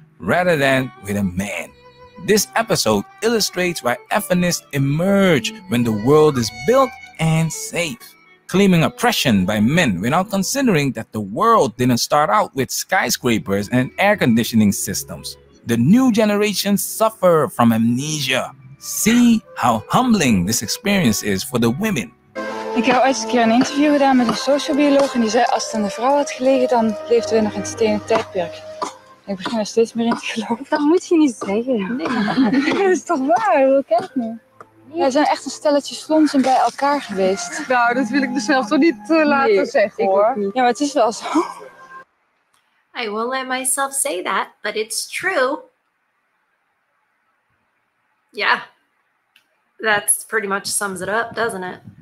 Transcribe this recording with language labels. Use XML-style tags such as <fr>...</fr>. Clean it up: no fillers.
<en>rather than with a man. This episode illustrates why feminists emerge when the world is built and safe. Claiming oppression by men without considering that the world didn't start out with skyscrapers and air conditioning systems. The new generation suffer from amnesia. See how humbling this experience is for the women.</en> <nl>Ik heb ooit een keer een interview gedaan met een sociobioloog en die zei als het aan de vrouw had gelegen, dan leefden we nog in het stenen tijdperk. Ik begin er steeds meer in te geloven. Dat moet je niet zeggen. Nee. Dat is toch waar? Hoe kijk ik nu? Wij zijn echt een stelletje slonzen bij elkaar geweest. Nou, dat wil ik mezelf toch niet laten zeggen, hoor. Niet. Ja, maar het is wel zo.</nl> <en>I will let myself say that, but it's true. Yeah. That pretty much sums it up, doesn't it?</en>